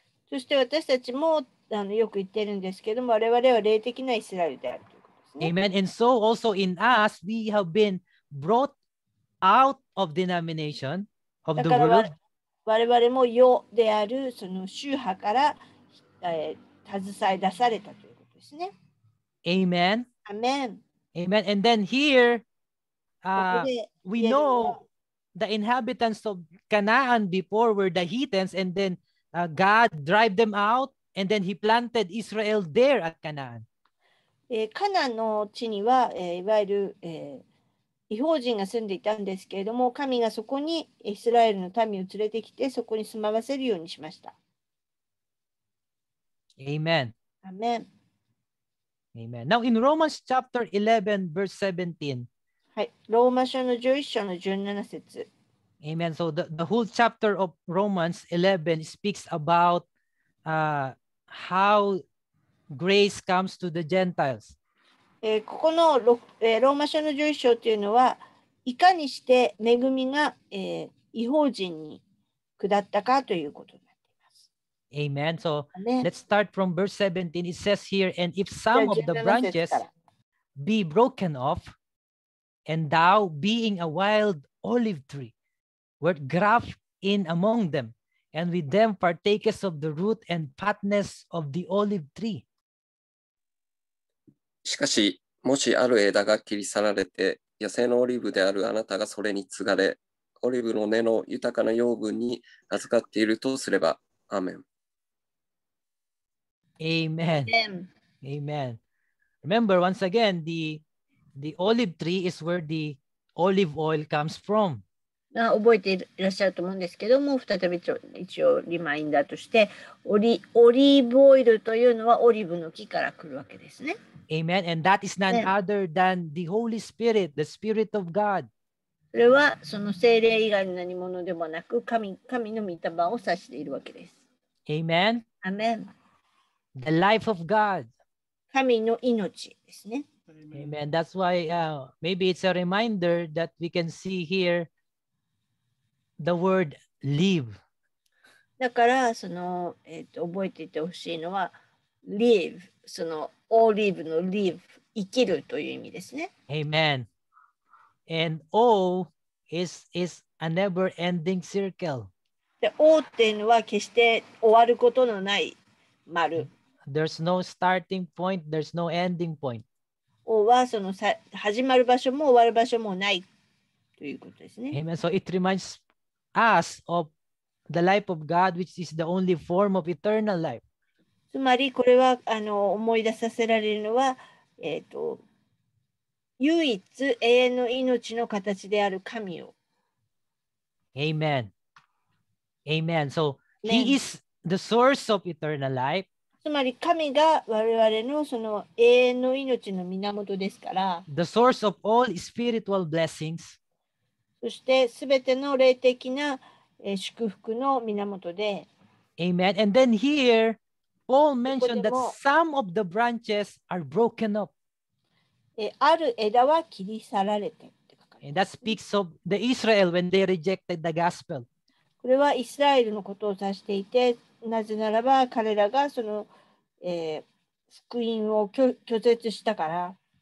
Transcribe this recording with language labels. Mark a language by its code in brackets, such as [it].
[ja] そして私たちもよく言ってるんですけども、我々は霊的なイスラエルであるということですね。 [en] Amen. And so also in us, we have been brought out of denomination of the world. [ja] だから我々も世であるその宗派から、携え出されたということですね。 [en] Amen. Amen. Amen. And then here, we know the inhabitants of Canaan before were the Hittites, and then God drive them out, and then he planted Israel there at Canaan. [ja] カナンの地には、いわゆる、異邦人が住んでいたんですけれども、神がそこにイスラエルの民を連れてきて、そこに住まわせるようにしました。 [en] Amen. Amen. Amen. Now in Romans chapter 11, verse 17. [ja] はい、ローマ書の11章の17節。 [en] Amen. So the whole chapter of Romans 11 speaks about how grace comes to the Gentiles. [ja] ここの ローマ書の11章というのは、いかにして恵みが、異邦人に下ったかということです。 [en] Amen. So let's start from verse 17. It says here, and if some of the branches be broken off, and thou, being a wild olive tree, wert grafted in among them, and with them partakest of the root and fatness of the olive tree. [ja] しかし、もしある枝が切り去られて、野生のオリーブであるあなたがそれに継がれ、オリーブの根の豊かな養分に預かっているとすれば、アーメン。 [en] Amen. Amen. Amen. Remember, once again, the olive tree is where the olive oil comes from. [ja] 覚えていらっしゃると思うんですけども、再び一応リマインダーとして、オリーブオイルというのはオリーブの木から来るわけですね。 [en] Amen. And that is none other than the Holy Spirit, the Spirit of God. [ja] それはその聖霊以外の何者でもなく、神の御霊を指しているわけです。 [en] Amen. Amen. The life of God. [ja] 神の命ですね。 [en] Amen. That's why maybe it's a reminder that we can see here the word live. [ja] だからその覚えていてほしいのは live, そのオリーブの live, 生きるという意味ですね。 [en] Amen. And all is a never-ending circle. [ja] で、O っていうのは決して終わることのない丸。 [en] There's no starting point, there's no ending point. [ja] はその始まる場所も終わる場所もないということですね。 [en] Amen. So it reminds us of the life of God, which is the only form of eternal life. [ja] つまりこれは思い出させられるのは、唯一永遠の命の形である神を。 [en] Amen. Amen. So he is the source of eternal life. [ja] つまり神が我々のその永遠の命の源ですから。 [en] The source of all spiritual blessings. [ja] そしてすべての霊的な祝福の源で。 [en] Amen. And then here, Paul mentioned that some of the branches are broken up. [ja] ある枝は切り去られて。 [en] And that speaks of the Israel when they rejected the gospel. [ja] これはイスラエルのことを指していて、なぜならば彼らがその、福音を拒絶したから。